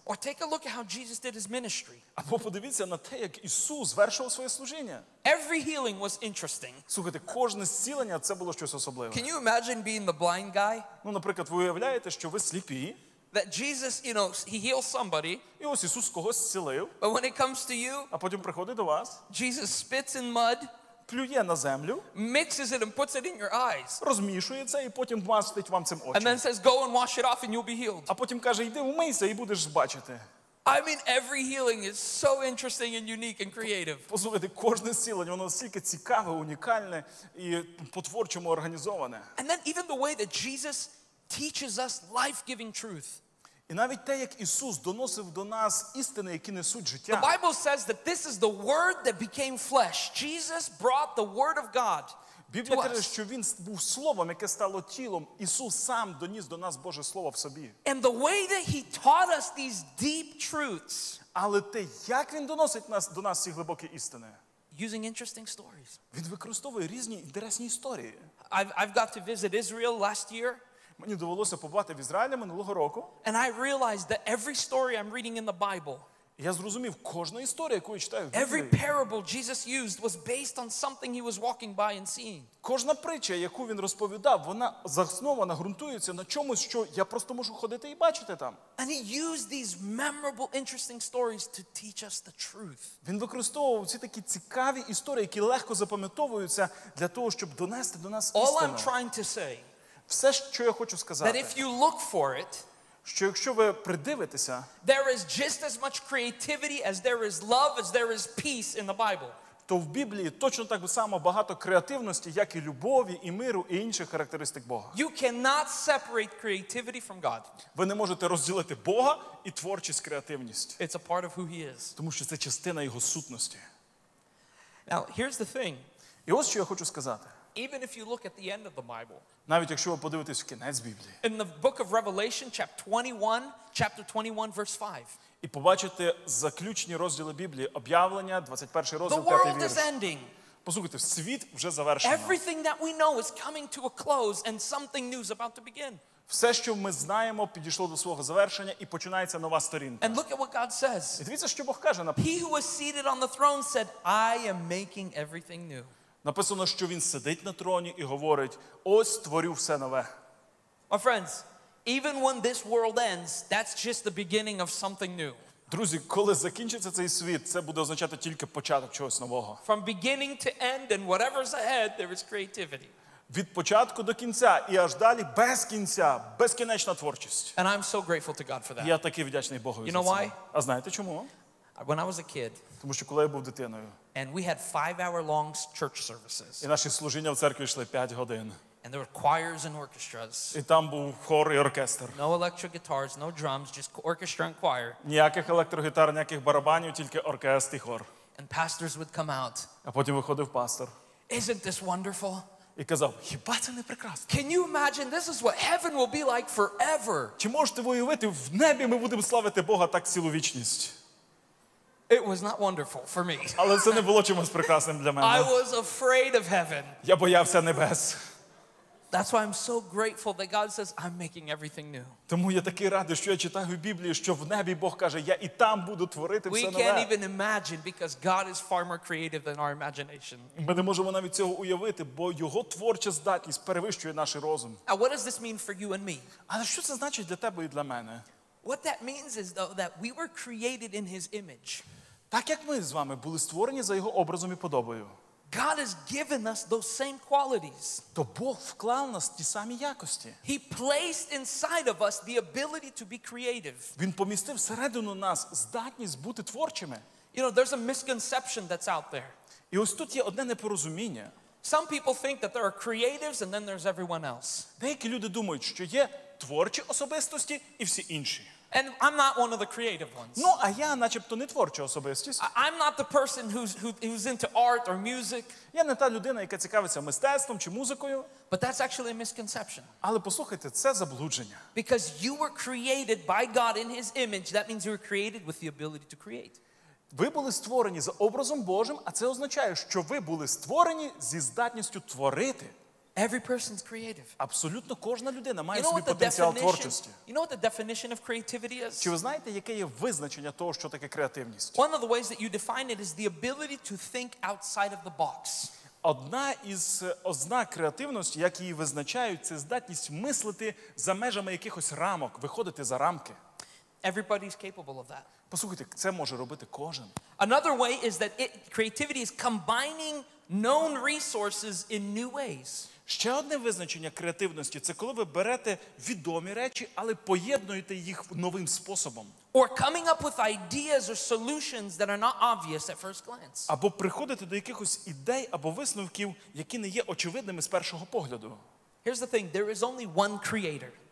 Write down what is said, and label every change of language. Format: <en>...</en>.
<en>Or take a look at how Jesus did his ministry.</en> <uk>Або подивіться на те, як Ісус звершував своє служіння.</uk> <en>Every healing was interesting.</en> <uk>Слухайте, кожне зцілення це було щось особливе.</uk> <en>Can you imagine being the blind guy?</en> <uk>Ну, наприклад, ви уявляєте, що ви сліпі?</uk> <en>That Jesus, you know, he heals somebody.</en> <uk>І ось Ісус когось зцілив.</uk> <en>But when it comes to you,</en> <uk>а потім приходить до вас.</uk> <en>Jesus spits in mud.</en> <uk>Плює на землю.</uk> <en>Mixes it and puts it in your eyes.</en> <uk>Розмішує це і потім мастить вам цим очі.</uk> <en>And then says, go and wash it off and you'll be healed.</en> <uk>А потім каже, йди умийся і будеш бачити.</uk> <en>I mean, every healing is so interesting and unique and creative.</en> <uk>Послухайте, кожне зцілення, воно настільки цікаве, унікальне і по-творчому організоване.</uk> <en>And then even the way that Jesus teaches us life-giving truth.</en> <uk>І навіть те, як Ісус доносив до нас істини, які несуть життя.</uk> <en>The Bible says that this is the word that became flesh. Jesus brought the word of God.</en> <uk>Біблія каже, що він був словом, яке стало тілом. Ісус сам доніс до нас Боже слово в собі.</uk> <en>And the way that he taught us these deep truths.</en> <uk>Але те, як він доносить нас до нас ці глибокі істини.</uk> <en>Using interesting stories.</en> <uk>Він використовує різні інтересні історії.</uk> <en>I've got to visit Israel last year.</en> <uk>Мені довелося побувати в Ізраїлі минулого року.</uk> <en>And I realized that every story I'm reading in the Bible.</en> <uk>Я зрозумів, кожна історія, яку я читаю в Біблії.</uk> <en>Every parable Jesus used was based on something he was walking by and seeing.</en> <uk>Кожна притча, яку він розповідав, вона заснована, ґрунтується на чомусь, що я просто можу ходити і бачити там.</uk> <en>And he used these memorable, interesting stories to teach us the truth.</en> <uk>Він використовував ці такі цікаві історії, які легко запам'ятовуються для того, щоб донести до нас істину.</uk> <en>All I'm trying to say.</en> <uk>Все, що я хочу сказати.</uk> <en>That if you look for it,</en> <uk>що якщо ви придивитеся,</uk> <en>there is just as much creativity as there is love as there is peace in the Bible.</en> <uk>То в Біблії точно так само багато креативності, як і любові, і миру, і інших характеристик Бога.</uk> <en>You cannot separate creativity from God.</en> <uk>Ви не можете розділити Бога і творчість, креативність.</uk> <en>It's a part of who he is.</en> <uk>Тому що це частина його сутності.</uk> <en>Now, here's the thing.</en> <uk>І ось що я хочу сказати.</uk> <en>Even if you look at the end of the Bible.</en> <uk>Навіть якщо ви подивитесь в кінець Біблії.</uk> <en>In the book of Revelation, chapter 21, verse 5.</en> <uk>І побачите заключні розділи Біблії, об'явлення, 21 розділ, 5 вірш.</uk> <en>The world is ending.</en> <uk>Послухайте, світ вже завершено.</uk> <en>Everything that we know is coming to a close and something new is about to begin.</en> <uk>Все, що ми знаємо, підійшло до свого завершення і починається нова сторінка.</uk> <en>And look at what God says.</en> <uk>І дивіться, що Бог каже.</uk> <en>He who was seated on the throne said, I am making everything new.</en> <uk>Написано, що він сидить на троні і говорить: "Ось створю все нове".</uk> <en>My friends, even when this world ends, that's just the beginning of something new.</en> <uk>Друзі, коли закінчиться цей світ, це буде означати тільки початок чогось нового.</uk> <en>From beginning to end and whatever's ahead, there is creativity.</en> <uk>Від початку до кінця і аж далі без кінця, безкінечна творчість.</uk> <en>And I'm so grateful to God for that.</en> <uk>Я такий вдячний Богу за це.</uk> <en>You know why?</en> <uk>А знаєте чому?</uk> <en>When I was a kid.</en> <uk>Тому що коли я був дитиною.</uk> <en>And we had 5-hour long church services.</en> <uk>І наші служіння в церкві йшли 5 годин.</uk> <en>And there were choirs and orchestras.</en> <uk>І там був хор і оркестр.</uk> <en>No electric guitars, no drums, just orchestra and choir.</en> <uk>Ніяких електрогітар, ніяких барабанів, тільки оркестр і хор.</uk> <en>And pastors would come out.</en> <uk>А потім виходив пастор.</uk> <en>Isn't this wonderful?</en> <uk>І казав: "Хіба це не прекрасно?"</uk> <en>Can you imagine this is what heaven will be like forever?</en> <uk>Чи можете ви уявити, в небі ми будемо славити Бога так цілу вічність?</uk> <en>It was not wonderful for me.</en> <uk>Але це не було чимось прекрасним для мене.</uk> <en>I was afraid of heaven.</en> <uk>Я боявся небес.</uk> <en>That's why I'm so grateful that God says I'm making everything new.</en> <uk>Тому я такий радий, що я читаю в Біблії, що в небі Бог каже: "Я і там буду творити все нове".</uk> <en>We can't even imagine because God is far more creative than our imagination.</en> <uk>Ми не можемо навіть цього уявити, бо його творча здатність перевищує наш розум.</uk> <en>And what does this mean for you and me?</en> <uk>Але що це значить для тебе і для мене?</uk> <en>What that means is though that we were created in his image.</en> <uk>Так як ми з вами були створені за його образом і подобою.</uk> <en>God has given us those same qualities.</en> <uk>То Бог вклав нас ті самі якості.</uk> <en>He placed inside of us the ability to be creative.</en> <uk>Він помістив всередину нас здатність бути творчими.</uk> <en>You know, there's a misconception that's out there.</en> <uk>І ось тут є одне непорозуміння.</uk> <en>Some people think that there are creatives and then there's everyone else.</en> <uk>Деякі люди думають, що є творчі особистості і всі інші.</uk> <en>And I'm not one of the creative ones.</en> <uk>Ну, а я начебто не творча особистість.</uk> <en>I'm not the person who's into art or music.</en> <uk>Я не та людина, яка цікавиться мистецтвом чи музикою.</uk> <en>But that's actually a misconception.</en> <uk>Але послухайте, це заблудження.</uk> <en>Because you were created by God in his image, that means you were created with the ability to create.</en> <uk>Ви були створені за образом Божим, а це означає, що ви були створені зі здатністю творити.</uk> <en>Every person's creative.</en> <uk>Абсолютно кожна людина має свій потенціал творчості.</uk> <en>You know what the definition of creativity is?</en> <uk>Чи ви знаєте, яке є визначення того, що таке креативність?</uk> <en>One of the ways that you define it is the ability to think outside of the box.</en> <uk>Одна із ознак креативності, як її визначають, це здатність мислити за межами якихось рамок, виходити за рамки.</uk> <en>Everybody's capable of that.</en> <uk>Послухайте, це може робити кожен.</uk> <en>Another way is that creativity is combining known resources in new ways.</en> <uk>Ще одне визначення креативності – це коли ви берете відомі речі, але поєднуєте їх новим способом.</uk> <en>Or coming up with ideas or solutions that are not obvious at first glance.</en> <uk>Або приходити до якихось ідей або висновків, які не є очевидними з першого погляду.</uk> <en>Here's the thing, there is only one creator.</en>